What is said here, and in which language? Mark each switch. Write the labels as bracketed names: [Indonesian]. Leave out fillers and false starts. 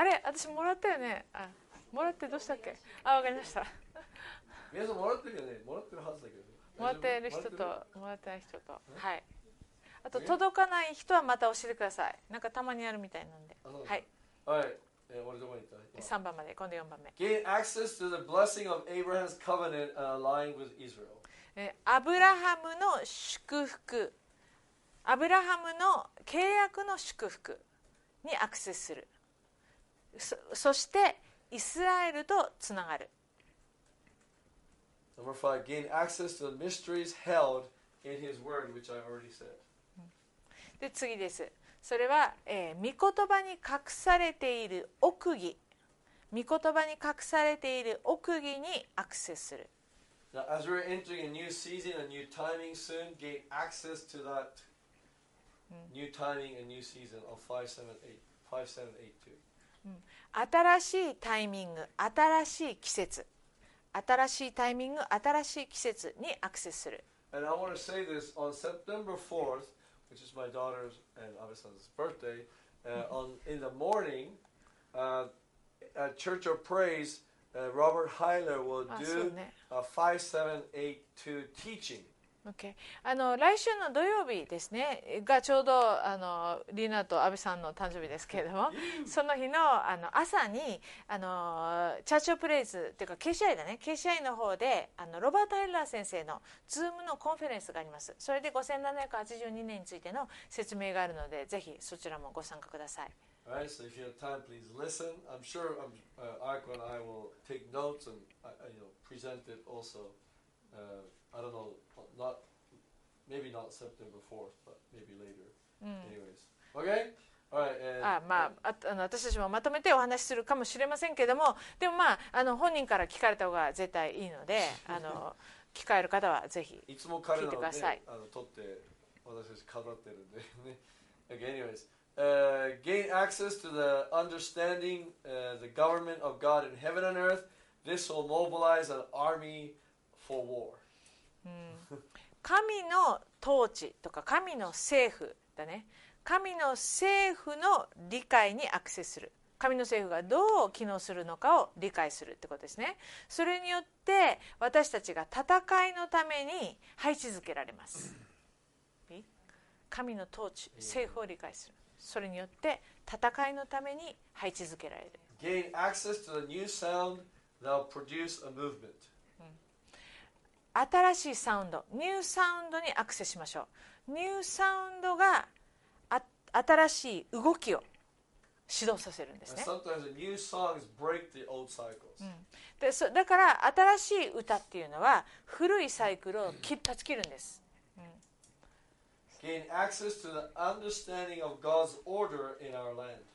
[Japanese] あれ、私もらったよね。あ、もらってどうしたっけ。あ、わかりました。皆さんもらってるよね。もらってるはずだけど。もらってる人と、もらってない人と、はい。あと届かない人はまた教えてください。なんかたまにあるみたいなんで。はい、はい、俺どこに行った？ 3番まで、今度4番目。 [English] Gain access to the blessing of Abraham's covenant aligned with Israel. [Japanese] アブラハムの祝福、アブラハムの契約の祝福にアクセスする。そしてイスラエルとつながる。 [English] Number five, gain access to the mysteries held in his word, which I already said. [Japanese] で次です。それは、御言葉に隠されている奥義、御言葉に隠されている奥義にアクセスする。 [English] Now, as we're entering a new season, a new timing soon, gain access to that new timing and new season of 5782. [Japanese] 新しいタイミング、新しい季節、新しいタイミング、新しい季節にアクセスする。 [English] And I want to say this on September 4th, which is my daughter's and Abe-san's birthday. In the morning, at Church of Praise. Robert Heiler will do a 5782 teaching. Okay. [Japanese] あの来週の土曜日ですね、がちょうどあのリナと阿部さんの誕生日ですけれども、その日のあの朝にあのチャーチオプレイズっていうか KCI だね、KCI の方であのロバート・ハイラー先生のズームのコンフェレンスがあります。それで5782年についての説明があるので、ぜひそちらもご参加ください。 [English] Alright, so if you have time, please listen. I'm sure Aiko and I will take notes and you know, present it also. I don't know, not, maybe not September 4th, but maybe later. Anyways, okay? [Japanese] ああ、まあ、あの私たちもまとめてお話しするかもしれませんけども、でもまあ、 あの本人から聞かれた方が絶対いいので、あの聞かれる方はぜひ聞いてください。いつも彼らを、ね、あの撮って私たち飾ってるんでね。 [English] Okay, anyways, gain access to the understanding the government of God in heaven and earth. This will mobilize an army for war. [Japanese] 神の統治とか神の政府だね、神の政府の理解にアクセスする。神の政府がどう機能するのかを理解するってことですね。それによって私たちが戦いのために配置づけられます。神の統治、政府を理解する。それによって戦いのために配置づけられる。 [English] Gain access to the new sound that will produce a movement. [Japanese] 新しいサウンド、ニューサウンドにアクセスしましょう。ニューサウンドが新しい動きを始動させるんですね。 [English] Sometimes the new songs break the old cycles. [Japanese] で、だから新しい歌っていうのは古いサイクルを断ち切るんです。 [English] Gain access to the understanding of God's order in our land.